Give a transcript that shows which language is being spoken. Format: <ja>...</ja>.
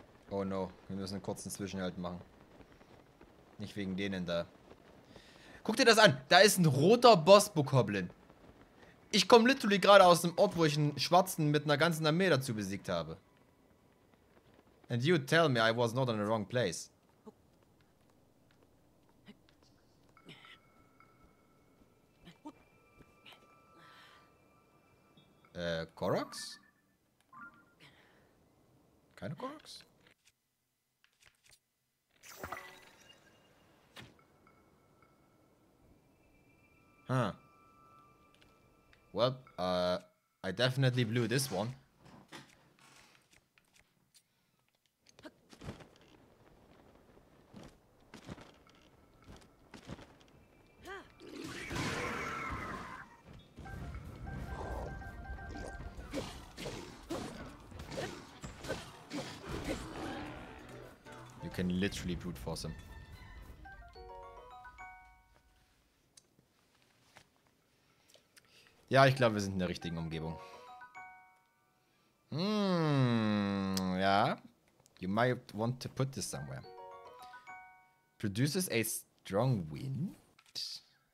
<de>Oh no, wir müssen einen kurzen Zwischenhalt machen. Nicht wegen denen da. Guck dir das an, da ist ein roter Bosbokoblin. Ich komme literally gerade aus dem Ort, wo ich einen Schwarzen mit einer ganzen Armee dazu besiegt habe.</de> <en>And you tell me I was not in the wrong place.</en> <de>Korax? Keine Korax?</de> <en>Huh. Well, I definitely blew this one. You can literally brute force him.</en> <de>Ja, ich glaube, wir sind in der richtigen Umgebung. Ja.</de> <en>You might want to put this somewhere. Produces a strong wind.</en>